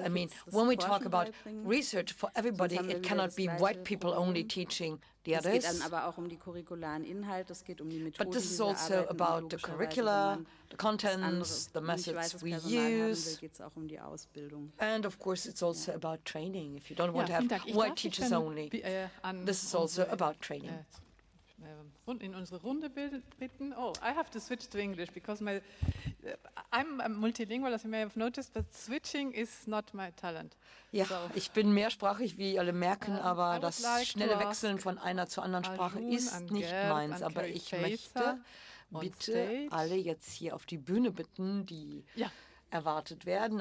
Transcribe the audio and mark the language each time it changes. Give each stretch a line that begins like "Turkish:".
English: I mean, when we talk about research, for everybody, it cannot be white people only teaching.
German: Es geht dann aber auch die curricularen Inhalte, es geht die Methoden.
English: But this is also about the curricula, the contents, the methods we use. And of course it's also about training. If you don't want to have white teachers only, this is also about training.
German: Und in unsere Runde bitten.
English: Oh, I have to switch to English because I'm multilingual, as you may have noticed, but switching is not my talent.
German: Ja, so, ich bin mehrsprachig, wie alle merken, aber das like schnelle Wechseln von einer zur anderen Sprache Arun ist nicht Gerd, meins. Aber ich möchte bitte alle jetzt hier auf die Bühne bitten, die erwartet werden.